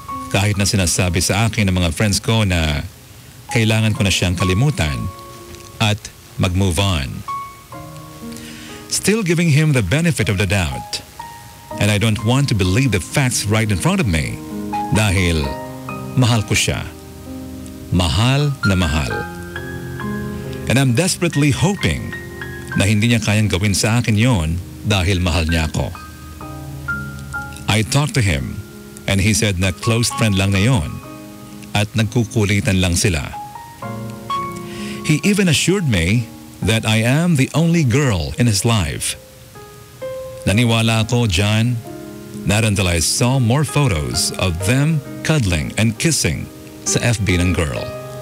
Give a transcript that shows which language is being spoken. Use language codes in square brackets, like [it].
[tl] Kahit na sinasabi sa akin ng mga friends ko na kailangan ko na siyang kalimutan at mag-move on. [en] Still giving him the benefit of the doubt. And I don't want to believe the facts right in front of me. [tl] Dahil mahal ko siya. Mahal na mahal. [en] And I'm desperately hoping [tl] na hindi niya kayang gawin sa akin yon dahil mahal niya ako. [en] I talked to him and he said na close friend [tl] lang ngayon at nagkukulitan lang sila. [en] He even assured me that I am the only girl in his life. [tl] Naniwala ako, John, [en] not until I saw more photos of them cuddling and kissing [tl] sa FB ng girl.